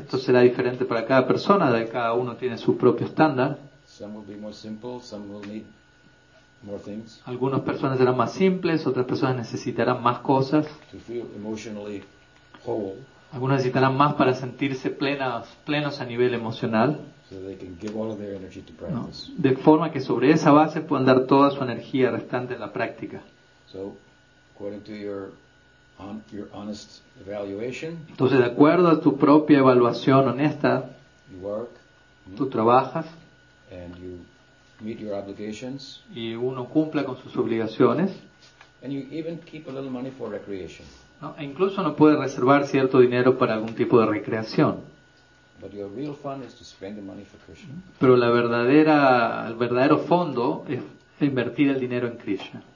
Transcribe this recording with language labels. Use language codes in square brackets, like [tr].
[es] Esto será diferente para cada persona, de cada uno tiene su propio estándar. [en] Some will be more simple, some will need more things. [es] Algunas personas serán más simples, otras personas necesitarán más cosas. [en] To feel emotionally whole. [es] Algunas necesitarán más para sentirse plenos a nivel emocional. [en] So they can give all of their energy to practice. No. [es] De forma que sobre esa base puedan dar toda su energía restante en la práctica. [en] So, according to your honest evaluation, [es] entonces, de acuerdo a tu propia evaluación honesta, [en] you work, [es] tú trabajas [en] and you meet your obligations, [es] y uno cumple con sus obligaciones. [en] And you even keep a little money for recreation. No. [es] E incluso uno puede reservar cierto dinero para algún tipo de recreación. [en] But your real fun is to spend the money for Krishna. [es] Pero el verdadero fondo es invertir el dinero en Krishna.